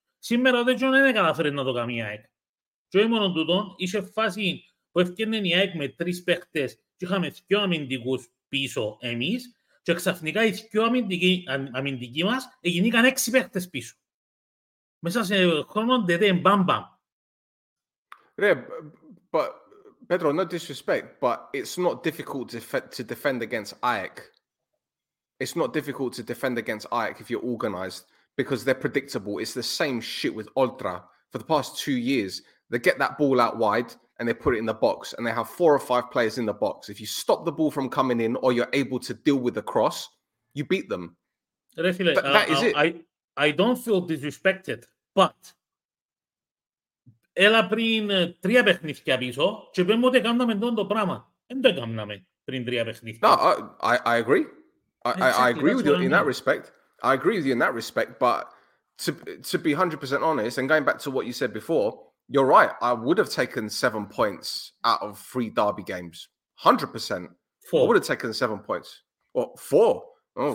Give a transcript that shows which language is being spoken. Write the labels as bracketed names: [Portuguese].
[Greek] Σήμερα ο Δέτσιον δεν καταφέρει να το κάνει η ΑΕΚ. Και όχι μόνο τούτο, είχε φάση που έφτιανε η ΑΕΚ με τρεις παίχτες και είχαμε δυο αμυντικούς πίσω εμείς και ξαφνικά οι δυο αμυντικοί μας γίνηκαν 6 παίχτες πίσω. Μέσα σε χρόνο δεν είναι μπαμπαμ. [English] Ρε, Πέτρο, no disrespect, but it's not difficult to defend against ΑΕΚ. It's not difficult to defend against Ajax if you're organized because they're predictable. It's the same shit with Ultra for the past 2 years. They get that ball out wide and they put it in the box and they have 4 or 5 players in the box. If you stop the ball from coming in or you're able to deal with the cross, you beat them. Refile, I don't feel disrespected, but [Greek] έλα πριν τρία παιχνίδια πίσω και πέμε ότι κάναμε τον το πράγμα. Δεν το κάναμε πριν τρία παιχνίδια. [English] No, I agree. I agree with you in that respect. I agree with you in that respect, but to be 100% honest, and going back to what you said before, you're right. I would have taken 7 points out of 3 derby games. 100%. Four. I would have taken 7 points. Well, 4. Oh,